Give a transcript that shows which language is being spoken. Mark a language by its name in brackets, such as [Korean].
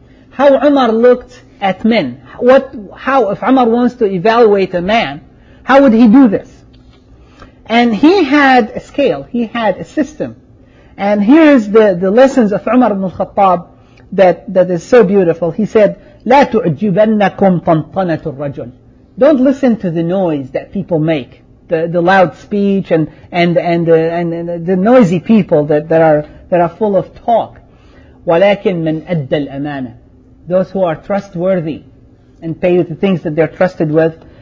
[English] How Umar looked at men. How if Umar wants to evaluate a man, how would he do this? And he had a scale, he had a system. And here is the lessons of Umar ibn al-Khattab that is so beautiful. He said, [Arabic] لا تعجبنكم طنطنة الرجل. [English] Don't listen to the noise that people make, the loud speech and the noisy people that are full of talk. [Arabic] ولكن من أدى الأمانة. [English] Those who are trustworthy and pay the things that they're trusted with.